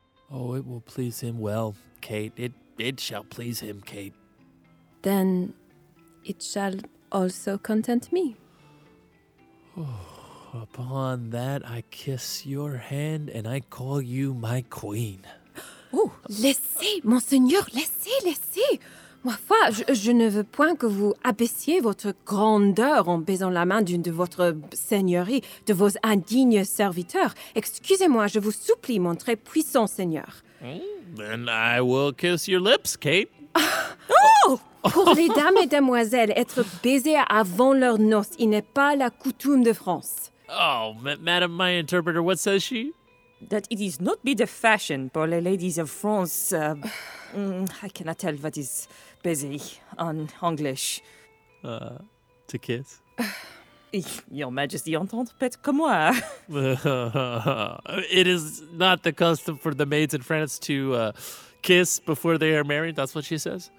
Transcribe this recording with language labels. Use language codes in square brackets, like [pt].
[en] Oh, it will please him well, Kate. It It shall please him, Kate. Then it shall also content me. Upon that, I kiss your hand and I call you my queen. [fr] Oh, laissez, monseigneur, laissez. Ma foi, je ne veux point que vous abaissiez votre grandeur en baisant la main d'une de votre seigneurie, de vos indignes serviteurs. Excusez-moi, je vous supplie, mon très puissant seigneur. [en] Then I will kiss your lips, Kate. [fr] Pour les dames et demoiselles, être baisées avant leur noce, il n'est pas la coutume de France. [en] Madame, my interpreter, what says she? That it is not be the fashion for the ladies of France. I cannot tell what is [fr] baiser en anglais. [en] To kiss? Your Majesty [fr] entendre peut-être comme moi. [en] It is not the custom for the maids in France to kiss before they are married, that's what she says?